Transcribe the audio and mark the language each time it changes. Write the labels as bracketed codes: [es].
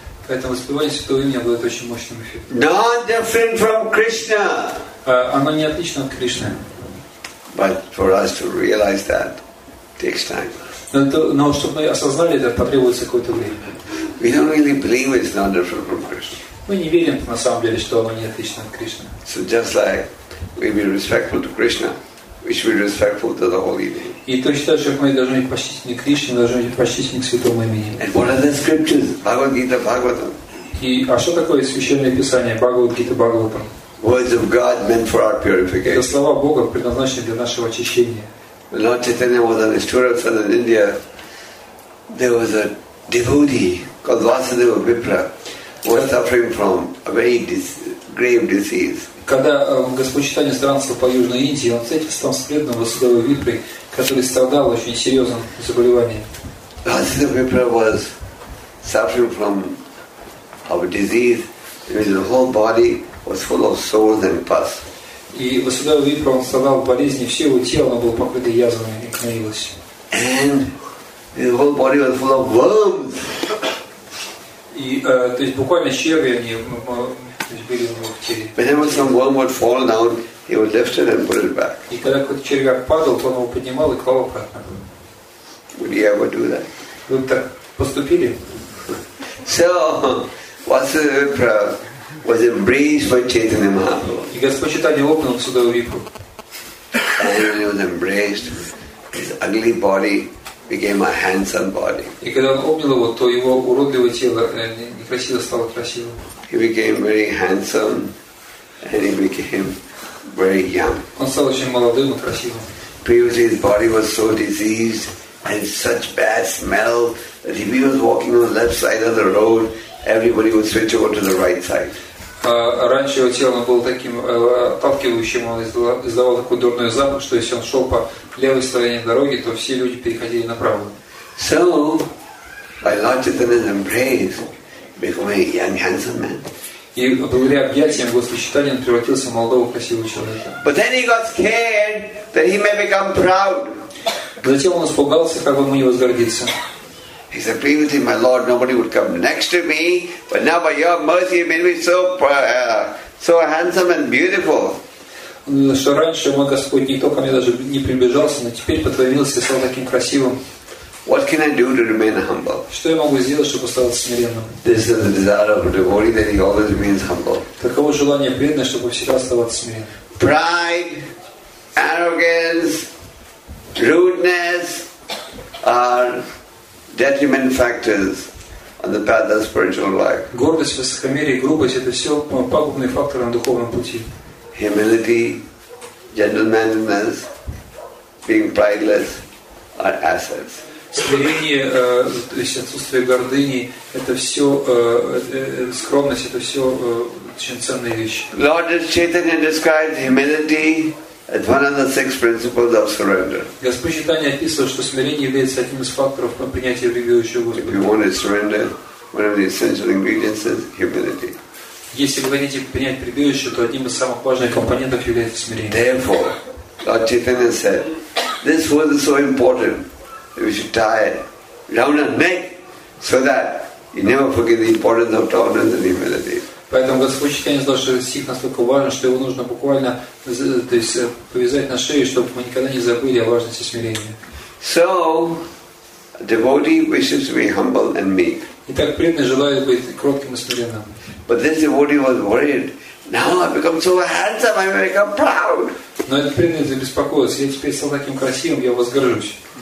[ru] Поэтому воспевание святого имени будет очень мощным эффектом. [en] Not different from Krishna. [ru] Оно не отлично от Кришны. [en] But for us to realize that takes time. [ru] Но чтобы мы осознали это, потребуется какое-то время. [en] We don't really believe it's not different from Krishna. [ru] Мы не верим на самом деле, что оно не отлично от Кришны. [en] So just like we be respectful to Krishna, we should be respectful to the holy name. [ru] И точно так же, как мы должны быть почтительны Кришне, мы должны быть почтительны к святому имени. [en] And what are the scriptures? Bhagavad Gita, Bhagavatam. [ru] И а что такое священное писание? [en] Bhagavad Gita, Bhagavatam. Words of God meant for our purification. [ru] Это слова Бога, предназначенные для нашего очищения. [en] Lord Chaitanya was on his tour of southern India. There was a devotee called Vasudeva Vipra. Was suffering from a very grave disease. [ru] Когда Господь Читания странствовал по Южной Индии, он встретился там с преданным Васудевой Випрой, который страдал очень серьезным заболеванием. [en] Васудева Випра was suffering from a disease in which the whole body was full of sores and pus. [ru] И Васудева Випра он страдал болезнью, все его тело было покрыто язвами и гноилось. [en] And his whole body was full of worms. [ru] И, то есть буквально черви они были у него в теле. [en] But then when some worm would fall down, he would lift it and put it back. [ru] И когда какой-то червяк падал, то он его поднимал и клал обратно. [en] Would you ever do that? [ru] Вы так поступили? [en] So, Vasudeva Vipra was embraced by Chaitanya Mahaprabhu. [ru] И Господь Читания обнял Васудеву Випру. [en] And he was embraced. His ugly body became a handsome body. [ru] И когда он обнял его, то его уродливое тело некрасиво стало красивым. [en] He became very handsome, and he became very young. [ru] Он стал очень молодым и красивым. [en] Previously his body was so diseased and such bad smell that if he was walking on the left side of the road, everybody would switch over to the right side. [ru] Раньше его тело было таким отталкивающим, он издавал такой дурной запах, что если он шел по левой стороне дороги, то все люди переходили направо. [en] So, by Lord Chaitanya's embrace, became a young, handsome man. [ru] И благодаря объятиям Господа Читания он превратился в молодого красивого человека. [en] But then he got scared that he may become proud. [ru] Затем он испугался, как бы ему не возгордиться. [en] He said, "Previously, my Lord, nobody would come next to me, but now, by Your mercy, you made me so handsome and beautiful." [ru] Что раньше мой Господь никто ко мне даже не приближался, но теперь по Твоей милости стал таким красивым. [en] What can I do to remain humble? [ru] Что я могу сделать, чтобы оставаться смиренным? [en] This is the desire of a devotee that he always remains humble. [ru] Таково желание преданного, чтобы всегда оставаться смиренным. [en] Pride, arrogance, rudeness are detriment factors on the path of spiritual life. [ru] Гордость, высокомерие, грубость — это все пагубные факторы на духовном пути. [en] Humility, gentlemanliness, being prideless are assets. [ru] Смирение, то есть отсутствие гордыни, это все скромность, это все очень ценные вещи. [en] Lord Chaitanya describes humility as one of the six principles of surrender. [ru] Господь Читания описывал, что смирение является одним из факторов принятия прибежища Господа. [en] If you want to surrender, one of the essential ingredients is humility. [ru] Если вы хотите принять прибежище, то одним из самых важных компонентов является смирение. [en] Therefore, Lord Chaitanya said, this word is so important that we should tie it round our neck so that you never forget the importance of tolerance and humility. [ru] Поэтому Господь Читания сказал, что стих настолько важен, что его нужно буквально, то есть, повязать на шею, чтобы мы никогда не забыли о важности смирения. [en] So, a devotee wishes to be humble and meek. [ru] Итак, преданный желает быть кротким и смиренным. [en] But this devotee was worried Now I become so handsome, I become proud. [ru] Но это принято забеспокоиться. Я теперь стал таким красивым, я возгоржусь.